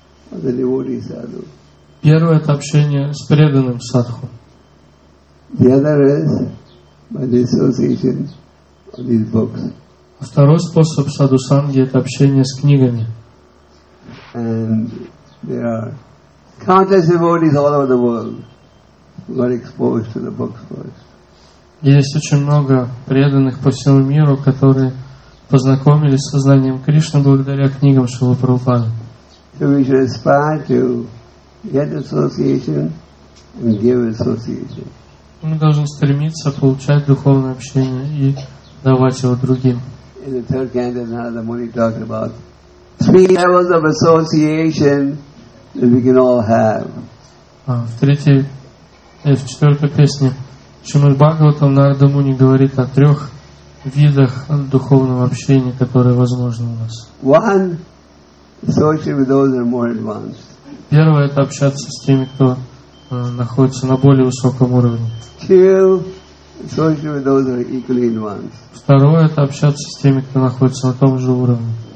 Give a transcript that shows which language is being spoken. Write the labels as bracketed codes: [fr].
[ru] Первое это общение с преданным садху. [en] The other is by the association of these books. [ru] Второй способ Sadhu Sangha это общение с книгами. [en] And there are countless devotees all over the world who got exposed to the books first. [ru] Есть очень много преданных по всему миру, которые познакомились со знанием Кришны благодаря книгам Шрилы Прабхупады. [en] So we should aspire to get association and give association. [ru] Мы должны стремиться получать духовное общение и давать его другим. [en] In the third canto, Narada Muni talked about three levels of association that we can all have. [ru] В третьей, в четвертой песне Шримад Бхагаватам Нарада Муни говорит о трех видах духовного общения, которые возможны у нас. [en] One, associate with those that are more advanced. [ru] Первое это общаться с теми, кто находится на более высоком уровне. [en] Two, associate with those that are equally advanced. [ru] Второе это общаться с теми, кто находится на том же уровне.